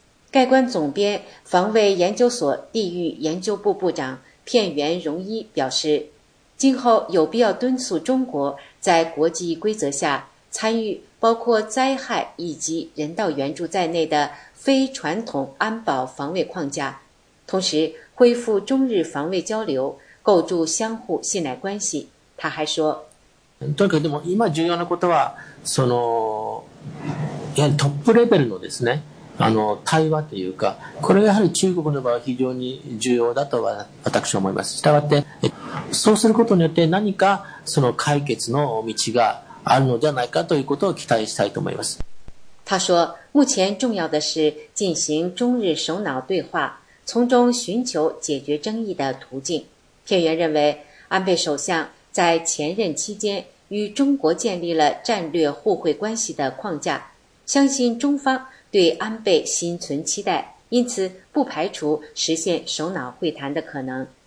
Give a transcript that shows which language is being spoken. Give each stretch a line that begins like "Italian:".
Chinese: 概观总编、防卫研究所地域研究部部长片原荣一表示，今后有必要敦促中国在国际规则下参与包括灾害以及人道援助在内的非传统安保防卫框架，同时恢复中日防卫交流，构筑相互信赖关系。他还说，
Japanese: とにかくでも今重要なことは、そのやはりトップレベルのですね、あの対話というか、これがやはり中国の場合は非常に重要だとは私は思います。したがって、そうすることによって何かその解決の道があるのではないかということを期待したいと思います。
Chinese: 他说，目前重要的是进行中日首脑对话，从中寻求解决争议的途径。片原认为，安倍首相在前任期间与中国建立了战略互惠关系的框架，相信中方对安倍心存期待，因此不排除实现首脑会谈的可能。